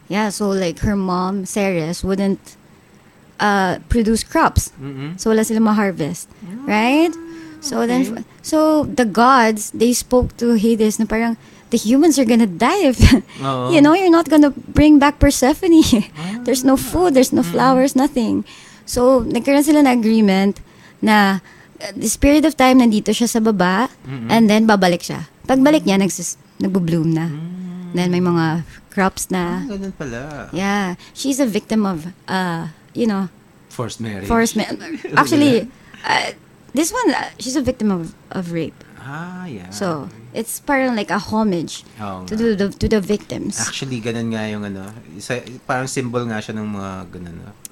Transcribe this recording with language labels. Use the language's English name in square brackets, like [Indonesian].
[English] Yeah, so like her mom, Ceres, wouldn't produce crops. Mm-hmm. [Filipino] So wala silang ma-harvest. Mm-hmm. [English] Right? So okay. Then, so the gods, they spoke to Hades [Filipino] na parang, [English] the humans are gonna die if, you know, you're not gonna bring back Persephone. There's no food, there's no flowers, nothing. [Filipino] So, nagkaroon sila ng agreement na [English] the spirit of time [Filipino] nandito siya sa baba, mm-hmm. [English] and then [Filipino] babalik siya. Pagbalik niya, nagbo-bloom na. Mm-hmm. Then may mga crops na. Ganun pala. [English] Yeah. She's a victim of, you know. Forced marriage. Actually, this one, she's a victim of rape. Ah, yeah. So, it's parang like a homage to the victims. [Filipino] Actually, ganun nga yung ano. Parang symbol nga siya ng mga ganun na.